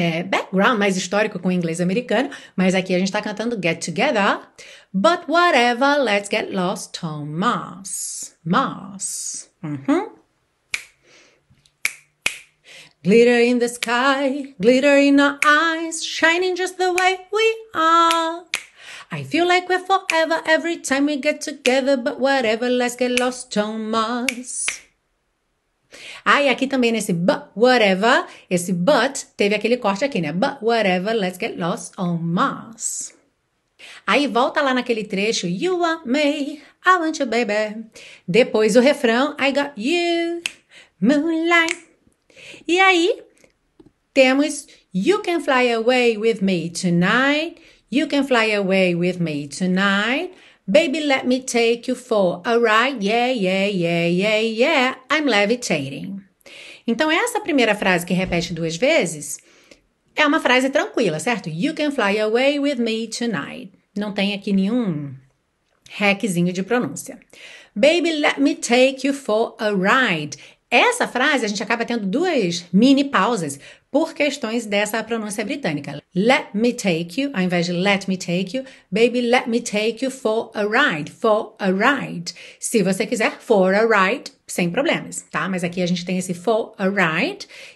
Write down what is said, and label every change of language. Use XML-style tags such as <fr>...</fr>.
<en>background,</en> <pt>mais histórico com o inglês americano, mas aqui a gente tá cantando</pt> <en>get together, but whatever, let's get lost on Mars, Mars, Glitter in the sky, glitter in our eyes, shining just the way we are. I feel like we're forever every time we get together, but whatever, let's get lost on Mars.</en> <pt>Ah, e aqui também nesse</pt> <en>but, whatever,</en> <pt>esse but teve aquele corte aqui, né?</pt> <en>But whatever, let's get lost on Mars.</en> <pt>Aí volta lá naquele trecho,</pt> <en>you want me, I want you, baby.</en> <pt>Depois o refrão,</pt> <en>I got you, moonlight.</en> <pt>E aí, temos</pt> <en>You can fly away with me tonight. You can fly away with me tonight. Baby, let me take you for a ride. I'm levitating.</en> <pt>Então, essa primeira frase que repete duas vezes é uma frase tranquila, certo?</pt> <en>You can fly away with me tonight.</en> <pt>Não tem aqui nenhum hackzinho de pronúncia.</pt> <en>Baby, let me take you for a ride.</en> <pt>Essa frase a gente acaba tendo duas mini pausas por questões dessa pronúncia britânica.</pt> <en>Let me take you,</en> <pt>ao invés de</pt> <en>let me take you, baby, let me take you for a ride, for a ride.</en> <pt>Se você quiser,</pt> <en>for a ride,</en> <pt>sem problemas, tá? Mas aqui a gente tem esse for a ride.</pt>